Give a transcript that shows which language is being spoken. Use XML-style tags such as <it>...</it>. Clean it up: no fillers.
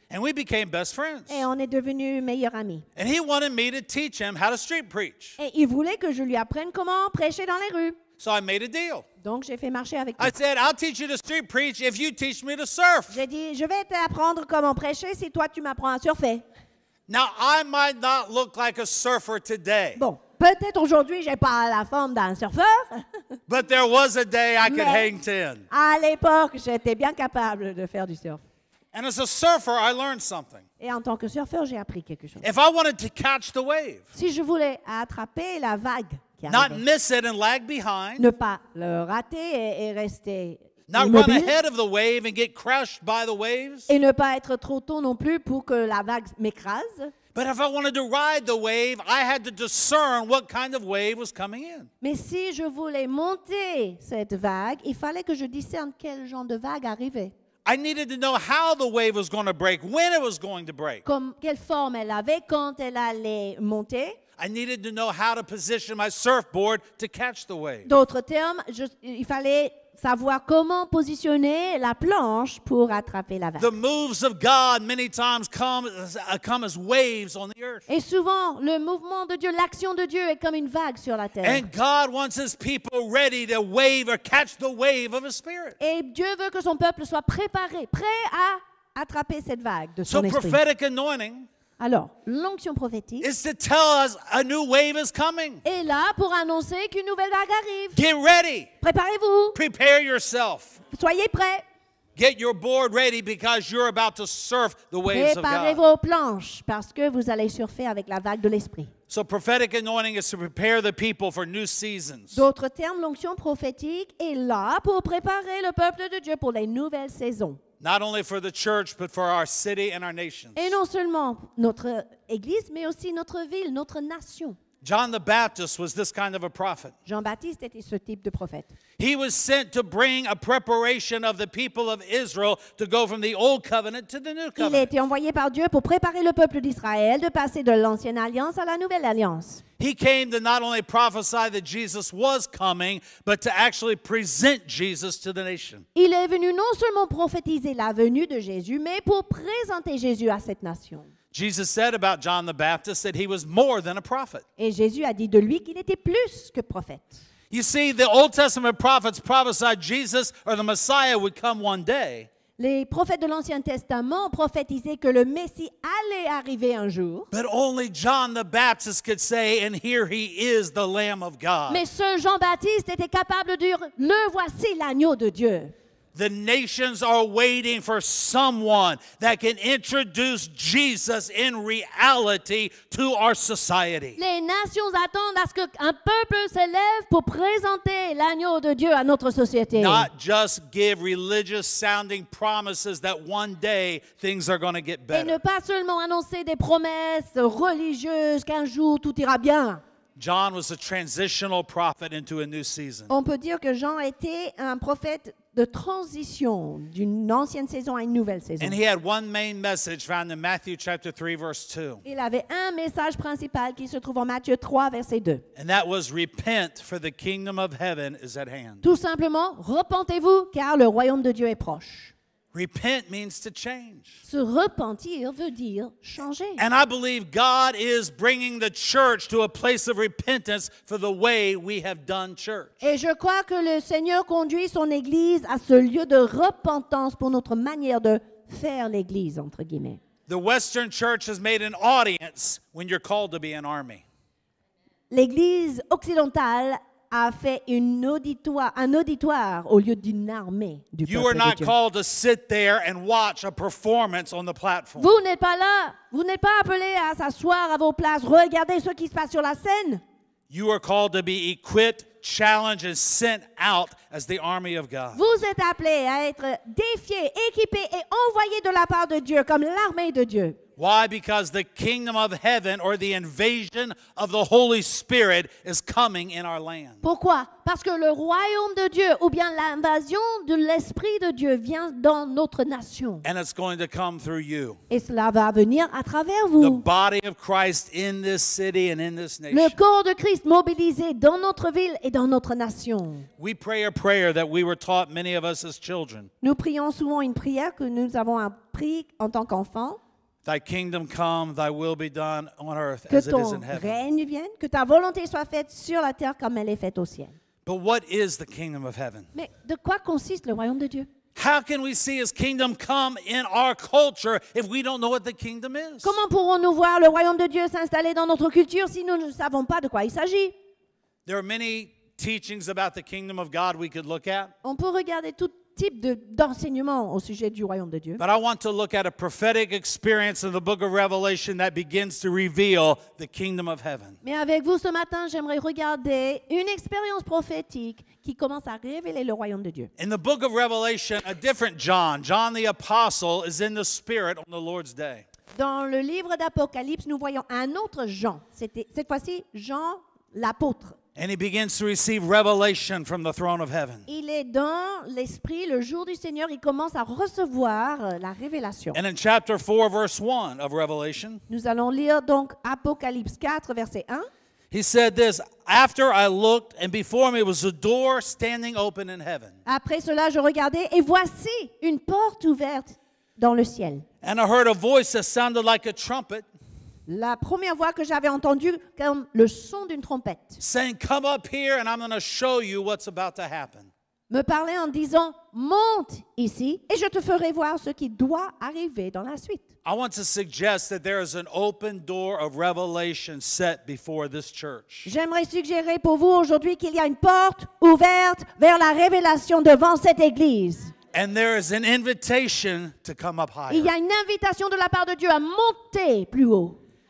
<en>And we became best friends.</en> <fr>Et on est devenus meilleurs amis.</fr> <en>And he wanted me to teach him how to street preach.</en> <fr>Et il voulait que je lui apprenne comment prêcher dans les rues.</fr> <en>So I made a deal.</en> <fr>Donc j'ai fait marcher avec</fr> <en>lui. I said, I'll teach you to street preach if you teach me to surf.</en> <fr>J'ai dit, je vais t'apprendre comment prêcher si toi tu m'apprends à surfer.</fr> <en>Now I might not look like a surfer today.</en> <fr>Bon, peut-être aujourd'hui j'ai pas la forme d'un surfeur.</fr> <en>But there was a day I could hang 10.</en> <fr>À l'époque, j'étais bien capable de faire du surf.</fr> <en>And as a surfer, I learned something.</en> <fr>Et en tant que surfeur, j'ai appris quelque chose.</fr> <en>If I wanted to catch the wave.</en> <fr>Si je voulais attraper la vague.</fr> <en>Not miss it and lag behind.</en> <fr>Ne pas le rater et rester immobile.</fr> <en>Not run ahead of the wave and get crushed by the waves.</en> <fr>Et ne pas être trop tôt non plus pour que la vague m'écrase.</fr> <en>But if I wanted to ride the wave, I had to discern what kind of wave was coming in.</en> <fr>Mais si je voulais monter cette vague, il fallait que je discerne quel genre de vague arrivait.</fr> <en>I needed to know how the wave was going to break, when it was going to break.</en> <fr>Comme quelle forme elle avait, quand elle allait monter.</fr> <en>I needed to know how to position my surfboard to catch the wave.</en> <fr>D'autres termes, il fallait savoir comment positionner la planche pour attraper la vague.</fr> <en>The moves of God many times come as waves on the earth.</en> <fr>Et souvent, le mouvement de Dieu, l'action de Dieu est comme une vague sur la terre.</fr> <en>And God wants his people ready to wave or catch the wave of his spirit.</en> <fr>Et Dieu veut que son peuple soit préparé, prêt à attraper cette vague de son</fr> <en>esprit. So prophetic anointing.</en> <fr>Alors, l'onction prophétique</fr> <en>is to tell us a new wave is coming.</en> <fr>Est là pour annoncer qu'une nouvelle vague arrive.</fr> <en>Get ready.</en> <fr>Préparez-vous.</fr> <en>Prepare yourself.</en> <fr>Soyez prêts.</fr> <en>Get your board ready because you're about to surf the waves of God.</en> <fr>Préparez vos planches parce que vous allez surfer avec la vague de l'esprit.</fr> <en>So prophetic anointing is to prepare the people for new seasons.</en> <fr>D'autres termes, l'onction prophétique est là pour préparer le peuple de Dieu pour les nouvelles saisons.</fr> <en>Not only for the church, but for our city and our nations.</en> <fr>Et non seulement notre église, mais aussi notre ville, notre nation.</fr> <en>John the Baptist was this kind of a prophet.</en> <fr>Jean-Baptiste était ce type de prophète.</fr> <en>He was sent to bring a preparation of the people of Israel to go from the old covenant to the new covenant.</en> <fr>Il a été envoyé par Dieu pour préparer le peuple d'Israël de passer de l'ancienne alliance à la nouvelle alliance.</fr> <en>He came to not only prophesy that Jesus was coming, but to actually present Jesus to the nation.</en> <fr>Il est venu non seulement prophétiser la venue de Jésus, mais pour présenter Jésus à cette nation.</fr> <en>Jesus said about John the Baptist that he was more than a prophet.</en> <fr>Et Jésus a dit de lui qu'il était plus que prophète.</fr> <en>You see, the Old Testament prophets prophesied Jesus or the Messiah would come one day.</en> <fr>les prophètes de l'Ancien Testament prophétisaient que le Messie allait arriver un jour.</fr> <en>But only John the Baptist could say, and here he is, the Lamb of God.</en> <fr>Mais seul Jean-Baptiste était capable de dire, le voici l'agneau de Dieu.</fr> <en>The nations are waiting for someone that can introduce Jesus in reality to our society.</en> <fr>Les nations attendent à ce qu'un peuple s'élève pour présenter l'agneau de Dieu à notre société.</fr> <en>Not just give religious sounding promises that one day things are going to get better.</en> <fr>Et ne pas seulement annoncer des promesses religieuses qu'un jour tout ira bien.</fr> <en>John was a transitional prophet into a new season.</en> <fr>On peut dire que Jean était un prophète de transition d'une ancienne saison à une nouvelle saison.</fr> <en>And he had one main message found in Matthew chapter 3 verse 2.</en> <fr>Il avait un message principal qui se trouve en Matthieu 3 verset 2.</fr> <en>And that was repent for the kingdom of heaven is at hand.</en> <fr>Tout simplement, repentez-vous car le royaume de Dieu est proche.</fr> <en>Repent means to change.</en> <fr>Se repentir veut dire changer.</fr> <en>And I believe God is bringing the church to a place of repentance for the way we have done church.</en> <fr>Et je crois que le Seigneur conduit son église à ce lieu de repentance pour notre manière de faire l'église entre guillemets.</fr> <en>The Western church has made an audience when you're called to be an army.</en> <fr>L'église occidentale a fait un auditoire au lieu d'une armée du peuple.</fr> <en>You are not called to sit there and watch a performance on the platform.</en> <fr>Vous n'êtes pas là, vous n'êtes pas appelé à s'asseoir à vos places, regarder ce qui se passe sur la scène.</fr> <en>You are called to be equipped, challenged and sent out as the army of God.</en> <fr>Vous êtes appelé à être défié, équipé et envoyé de la part de Dieu comme l'armée de Dieu.</fr> <en>Why? Because the kingdom of heaven or the invasion of the Holy Spirit is coming in our land.</en> <fr>Pourquoi? Parce que le royaume de Dieu ou bien l'invasion de l'Esprit de Dieu vient dans notre nation.</fr> <en>And it's going to come through you.</en> <fr>Et cela va venir à travers vous.</fr> <en>The body of Christ in this city and in this nation.</en> <fr>Le corps de Christ mobilisé dans notre ville et dans notre nation.</fr> <en>We pray a prayer that we were taught many of us as children.</en> <fr>Nous prions souvent une prière que nous avons appris en tant qu'enfants.</fr> <en>Thy kingdom come, thy will be done on earth</en> <fr>que</fr> <en>as it is in heaven.</en> <fr>Que ton règne vienne, que ta volonté soit faite sur la terre comme elle est faite au ciel.</fr> <en>But what is the kingdom of heaven?</en> <fr>Mais de quoi consiste le royaume de Dieu?</fr> <en>How can we see his kingdom come in our culture if we don't know what the kingdom is?</en> <fr>Comment pourrons-nous voir le royaume de Dieu s'installer dans notre culture si nous ne savons pas de quoi il s'agit?</fr> <en>There are many teachings about the kingdom of God we could look at.</en> <fr>On peut regarder tout type d'enseignement au sujet du royaume de Dieu.</fr> <en>But I want to look at a prophetic experience in the book of Revelation that begins to reveal the kingdom of heaven.</en> <fr>Mais avec vous ce matin, j'aimerais regarder une expérience prophétique qui commence à révéler le royaume de Dieu.</fr> <en>In the book of Revelation, a different John, John the Apostle, is in the Spirit on the Lord's day.</en> <fr>Dans le livre d'Apocalypse, nous voyons un autre Jean. C'était cette fois-ci Jean l'apôtre.</fr> <en>And he begins to receive revelation from the throne of heaven.</en> <fr>Il est dans l'esprit le jour du Seigneur, il commence à recevoir la révélation.</fr> <en>And in chapter 4 verse 1 of Revelation.</en> <fr>Nous allons lire donc Apocalypse 4 verset 1.</fr> <en>He said this, after I looked and before me was a door standing open in heaven.</en> <fr>Après cela, je regardais et voici une porte ouverte dans le ciel.</fr> <en>And I heard a voice that sounded like a trumpet.</en> <fr>La première voix que j'avais entendue comme le son d'une trompette.</fr> <en>Saying, come up here and I'm going to show you what's about to happen.</en> <fr>Me parlait en disant, monte ici et je te ferai voir ce qui doit arriver dans la suite.</fr> <en>I want to suggest that there is an open door of revelation set before this church.</en> <fr>J'aimerais suggérer pour vous aujourd'hui qu'il y a une porte ouverte vers la révélation devant cette église.</fr> <en>And there is an invitation to come up higher.</en> <fr>Il y a une invitation de la part de Dieu à monter plus haut.</fr>